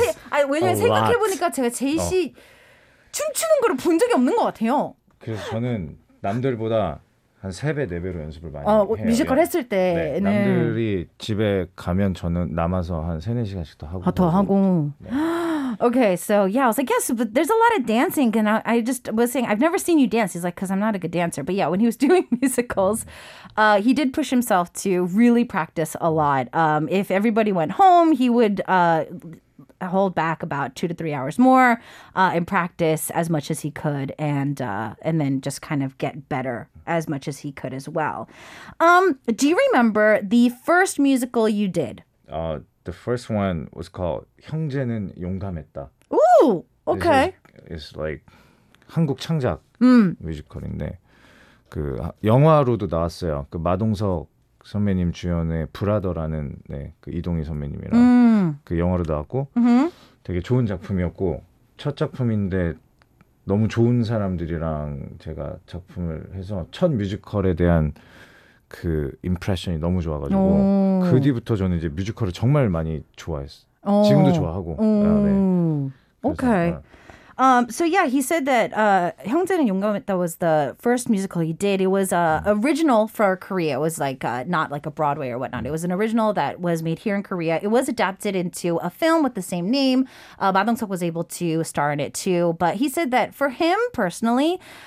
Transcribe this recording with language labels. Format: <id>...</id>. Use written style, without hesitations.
<ko>I 생각해보니까 제가 제이 씨 춤추는 걸 본 적이 없는 것 같아요. 그래서 저는 남들보다 한 3배, 4배로 연습을 많이 해요. 뮤지컬 했을 때. 네, 남들이 집에 가면 저는 남아서 한 3, 4시간씩 더 하고. 네.</ko> <en>Okay, so yeah, I was like, yes, but there's a lot of dancing. And I just was saying, I've never seen you dance. He's like, because I'm not a good dancer. But yeah, when he was doing musicals, he did push himself to really practice a lot. If everybody went home, he would hold back about 2 to 3 hours more and practice as much as he could and then just kind of get better as much as he could as well. Do you remember the first musical you did? The first one was called 형제는 용감했다. Ooh, okay. It's like</en> <ko>한국 창작 뮤지컬인데 그 영화로도 나왔어요. 그 마동석 선배님 주연의 브라더라는 네, 그 이동희 선배님이랑 그 영화로 나왔고 되게 좋은 작품이었고 첫 작품인데 너무 좋은 사람들이랑 제가 작품을 해서 첫 뮤지컬에 대한 그 임프레션이 너무 좋아가지고 그 뒤부터 저는 이제 뮤지컬을 정말 많이 좋아했어요. 지금도 좋아하고. 오케이.</ko> <en>So yeah, he said that 형제는 용감했다 was the first musical he did. It was original for Korea. It was like not like a Broadway or whatnot. It was an original that was made here in Korea. It was adapted into a film with the same name. Ba Dong-seok was able to star in it too. But he said that for him personally,</en>